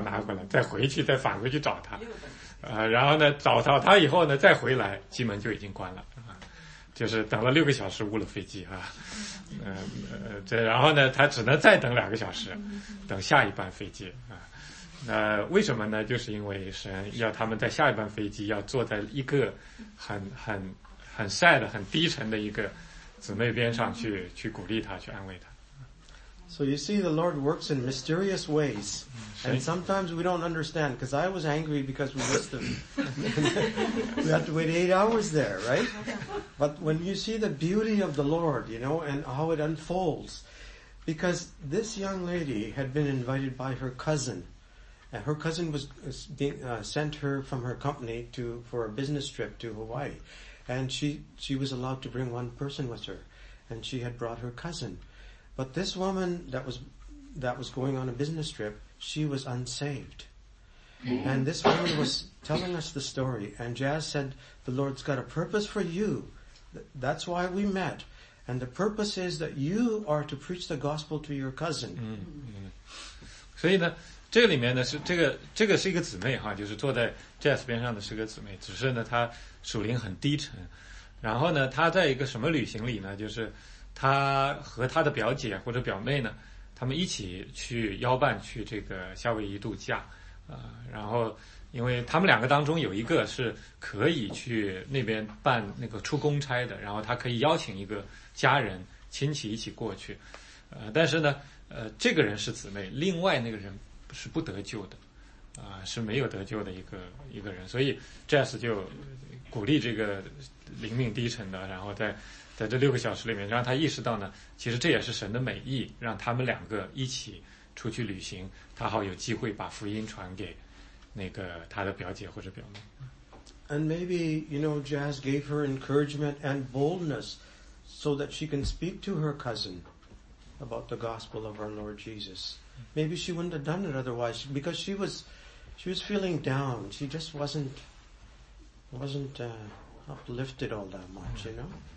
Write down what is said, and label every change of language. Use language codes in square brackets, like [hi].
[zh] 拿回来，再回去，再返回去找他，然后呢，找到他以后呢，再回来，机门就已经关了，就是等了六个小时误了飞机啊，这然后呢，他只能再等两个小时，等下一班飞机啊。那为什么呢？就是因为神要他们在下一班飞机要坐在一个很晒的、很低沉的一个姊妹边上去鼓励他，去安慰他。 [en] So you see, the Lord works in mysterious ways, and sometimes we don't understand. Because I was angry because we missed them. We had to wait 8 hours there, right? But when you see the beauty of the Lord, you know, and how it unfolds, because this young lady had been invited by her cousin, and her cousin was being sent her from her company for a business trip to Hawaii, and she was allowed to bring one person with her, and she had brought her cousin. But this woman that was going on a business trip, she was unsaved. And this woman was telling us the story. And Jazz said, the Lord's got a purpose for you. That's why we met. And the purpose is that you are to preach the gospel to your cousin. [zh] 所以呢，这里面呢，是这个是一个姊妹哈，就是坐在 Jazz 边上的是个姊妹，只是呢，她属灵很低沉。然后呢，她在一个什么旅行里呢？就是他和他的表姐或者表妹呢，他们一起去邀办去这个夏威夷度假，然后因为他们两个当中有一个是可以去那边办那个出公差的，然后他可以邀请一个家人亲戚一起过去，但是呢，这个人是姊妹，另外那个人是不得救的，是没有得救的一个人，所以 Jazz 就鼓励这个灵命低沉的，然后在这六个小时里面让他意识到呢，其实这也是神的美意，让他们两个一起出去旅行，他好有机会把福音传给那个他的表姐或者表妹。 [en] And maybe, you know, Jazz gave her encouragement and boldness so that she can speak to her cousin about the gospel of our Lord Jesus. Maybe she wouldn't have done it otherwise because she was feeling down. She just wasn't uplifted all that much, you know?